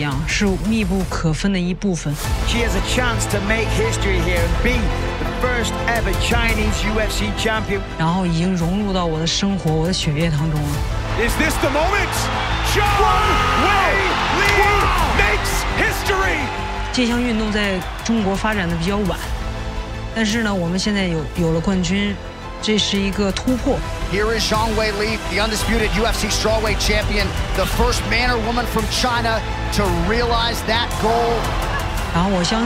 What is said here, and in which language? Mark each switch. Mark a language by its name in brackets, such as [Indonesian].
[Chinese] 综合格斗武术就像我的生活一样，是密不可分的一部分。 [English] She has a chance to make history here and be the first ever Chinese UFC champion. [Chinese] 然后已经融入到我的生活，我的血液当中了。 [English] Is this the moment? Zhang Weili makes history. [Chinese] 这项运动在中国发展的比较晚，但是呢，我们现在有了冠军。这是一个突破. [English] Here is Zhang Weili, the undisputed UFC strawweight champion, the first man or woman from China to realize that goal.